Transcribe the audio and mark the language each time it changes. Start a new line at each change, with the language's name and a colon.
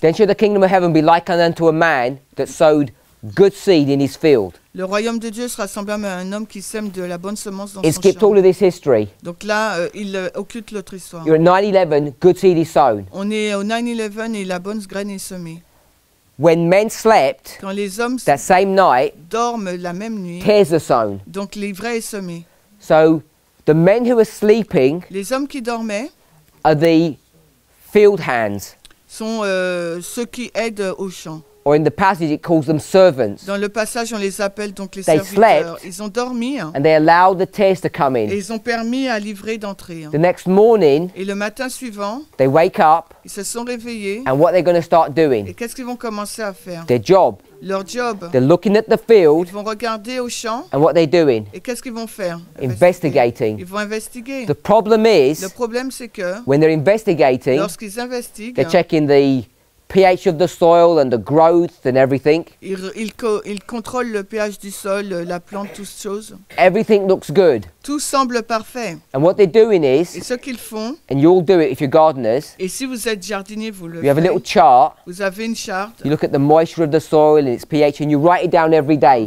English: Then shall the kingdom of heaven be likened unto a man that sowed good seed in his field.
French: Le royaume de Dieu sera semblable à un homme qui sème de la bonne semence dans son champ.
English: Skipped all of this history.
French: Donc là, il occulte l'autre histoire.
English: You're at 9/11, good seed is sown.
French: On est au 9/11 et la bonne graine est semée.
English: When men slept,
French: quand les hommes
English: that same night,
French: dorment la même nuit,
English: tares are sown.
French: Donc l'ivraie est semée.
English: So the men who are sleeping,
French: les hommes qui dormaient,
English: are the field hands.
French: Sont ceux qui aident au champ.
English: Or in the passage, it calls them servants.
French: Dans le passage, on les appelle donc les
English: they
French: serviteurs.
English: Slept,
French: ils ont dormi.
English: And they allowed the tares to come in.
French: Et ils ont permis à l'ivraie d'entrer.
English: The next morning,
French: et le matin suivant,
English: they wake up,
French: ils se sont réveillés.
English: And what they're going to start doing.
French: Et qu'est-ce qu'ils vont commencer à faire?
English: Their job.
French: Leur job.
English: They're looking at the field.
French: Ils vont regarder au champ.
English: And what they're doing.
French: Et qu'est-ce qu'ils vont faire?
English: Investigating.
French: Ils vont investiguer.
English: The problem is,
French: le problème c'est que,
English: when they're investigating,
French: lorsqu'ils investiguent,
English: they're checking the pH of the soil and the growth and everything.
French: Il contrôle le pH du sol, la plante, toutes choses.
English: Everything looks good.
French: Tout semble parfait.
English: And what they're doing is,
French: et ce qu'ils font,
English: and you all do it if you're gardeners,
French: et si vous êtes jardinier, vous le faites.
English: You have a little chart.
French: Vous avez une charte.
English: You look at the moisture of the soil and its pH and you write it down every day.